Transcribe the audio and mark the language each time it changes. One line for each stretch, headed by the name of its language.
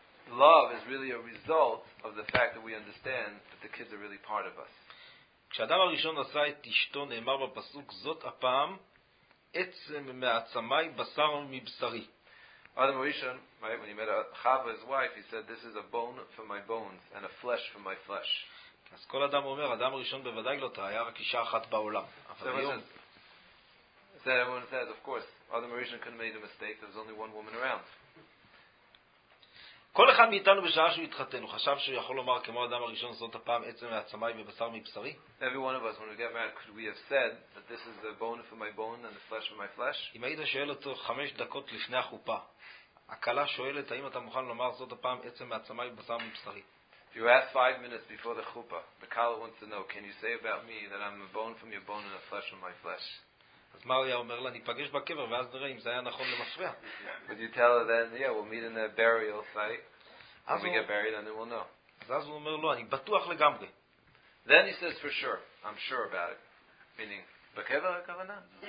English: Love is really a result of the fact that we understand that the kids are really part of us.
Hebrew: כשאדם הראשון עשה את אשתו נאמר בפסוק זאת הפעם עצם מעצמי בשר מבשרי.
English: Adam Rishon, right, when he met Chava, his wife, he said, "This is a bone from my bones and a flesh from my flesh."
Hebrew: אז כל אדם אומר, אדם ראשון בוודאי לא תהיה רק אישה אחת בעולם.
English: Everyone says, of course, Adam Rishon couldn't make a mistake. There was only one woman around.
Hebrew: כל אחד מאיתנו בשעה שהוא התחתן, הוא חשב שהוא יכול לומר כמו אדם הראשון זאת הפעם עצם מעצמי ובשר מבשרי?
English: Every one of us, when we get married, could we have said that this is the bone from my bone and the flesh from my flesh?
Hebrew: אם היית שואל אותו 5 דקות לפני החופה, הקלה שואלת, האם אתה מוכן לומר זאת הפעם עצם מעצמי ובשר מבשרי?
English: If you ask 5 minutes before the chupa, the kala wants to know, can you say about me that I'm a bone from your bone and a flesh from my flesh?
Hebrew: אז מריה אומר לה, ניפגש בקבר, ואז נראה אם זה היה נכון למשווע.
English: Would you tell her then, yeah, we'll meet in a burial site. When we get buried, then we'll know.
Hebrew: אז הוא אומר, לא, אני בטוח לגמרי.
English: Then he says, for sure, I'm sure about it. Meaning,
Hebrew: בקבר הכוונה?